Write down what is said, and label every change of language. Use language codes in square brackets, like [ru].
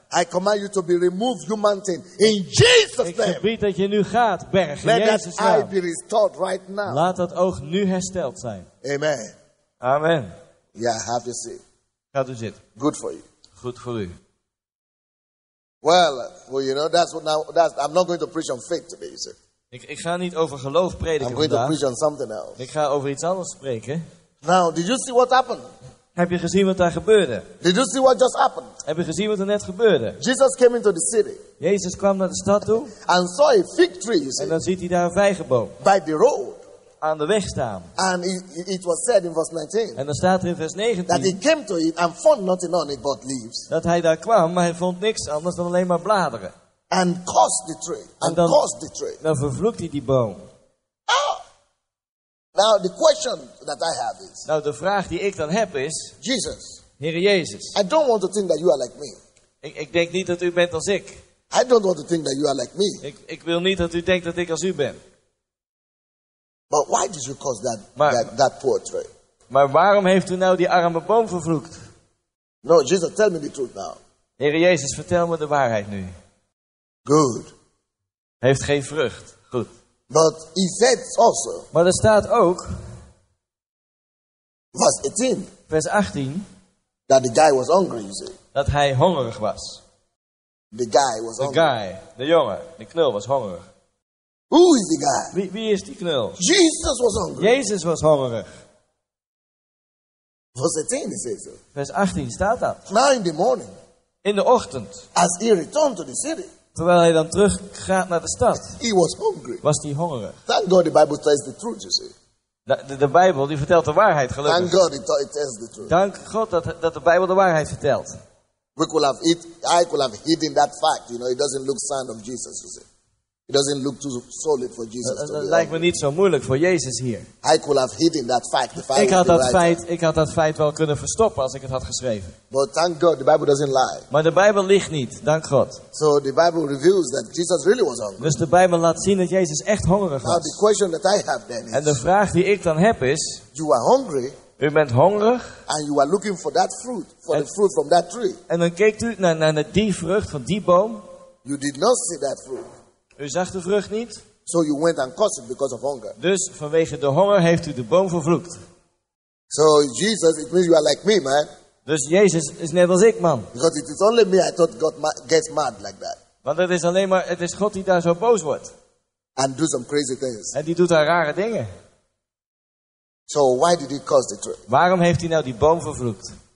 [en] I command you to be removed, you mountain, in Jesus' name. [nl] Ik gebied dat je nu gaat, berg, in Jezus' naam. [en] Let that eye be restored right now. [nl] Laat dat oog nu hersteld zijn. [en] Amen. [nl] Amen. [en] Yeah, have your seat. [nl] Gaat u zitten. [en] Good for you. [nl] Goed voor u. [en] Well, you know, I'm not going to preach on faith today, you see. [nl] Ik ga niet over geloof prediken vandaag. [en] I'm going to preach on something else. [nl] Ik ga over iets anders spreken. [en] Now, did you see what happened? [nl] Heb je gezien wat daar gebeurde? [en] Did you see what just happened? [nl] Heb je gezien wat er net gebeurde? [en] Jesus came into the city. [nl] Jezus kwam naar de stad toe. [en] And saw a fig tree, you see. [nl] En dan ziet hij daar een vijgenboom. [en] By the road. [nl] Aan de weg staan. [en] And it was said in verse 19. [nl] En dan staat er in vers 19. [en] That he came to it and found nothing on it but leaves. [nl] Dat hij daar kwam, maar hij vond niks anders dan alleen maar bladeren. [en] And cursed the tree. [nl] En dan, [en] cursed the tree. [nl] Dan vervloekt hij die boom. [en] Now the question that I have is. [nl] Nou, de vraag die ik dan heb is. [en] Jesus. [nl] Heere Jezus. [en] I don't want to think that you are like me. [nl] Ik denk niet dat u bent als ik. [en] I don't want to think that you are like me. [nl] Ik wil niet dat u denkt dat ik als u ben. [en] But why did you cause that poor tree? [nl] Maar waarom heeft u nou die arme boom vervloekt? [en] No, Jesus, tell me the truth now. [nl] Heere Jezus, vertel me de waarheid nu. [en] Good. [nl] Heeft geen vrucht. Goed. [en] But he said also. [nl] Maar er staat ook. Vers 18. [en] That the guy was hungry, you see. [nl] Dat hij hongerig was. [en] The guy was hungry. The guy, [nl] de jongen, de knul was hongerig. [en] Who is the guy? [nl] Wie is die knul? [en] Jesus was hungry. [nl] Jezus was hongerig. [en] Verse 18, he says so. [nl] Vers 18 staat dat. [en] Now in the morning. [nl] In de ochtend. [en] As he returned to the city. [nl] Terwijl hij dan terug gaat naar de stad. [en] He was hungry. [nl] Was hij hongerig. [en] Thank God the Bible tells the truth, you see. [nl] De Bijbel die vertelt de waarheid, gelukkig. [en] Thank God it tells the truth. [nl] Dank God dat de Bijbel de waarheid vertelt. [en] I could have hidden that fact. You know, it doesn't look sign of Jesus, you see. It doesn't look too solid for Jesus to be. [nl] Het lijkt me niet zo moeilijk voor Jezus hier. [en] I could have hidden that fact. [nl] Ik had dat feit wel kunnen verstoppen als ik het had geschreven. [en] But thank God, the Bible doesn't lie. [nl] Maar de Bijbel liegt niet, dank God. [en] So the Bible reveals that Jesus really was hungry. [nl] Dus de Bijbel laat zien dat Jezus echt hongerig was. [en] Now the question that I have then is, [nl] en de vraag die ik dan heb is, [en] you are hungry. [nl] U bent hongerig. [en] And you are looking for that fruit, for the fruit from that tree. [nl] En dan keek u naar die vrucht van die boom. [en] You did not see that fruit. [nl] U zag de vrucht niet. [en] So you went and cursed it because of hunger. [nl] Dus vanwege de honger heeft u de boom vervloekt. [en] So Jesus, it means you are like me, man. [nl] Dus Jezus is net als ik, man. [en] Because it is only me I thought God gets mad like that. [nl] Want het is alleen maar het is God die daar zo boos wordt. [en] And do some crazy things. [nl] En die doet daar rare dingen. [en] So why did he curse the tree? [nl] Waarom heeft hij nou die boom vervloekt?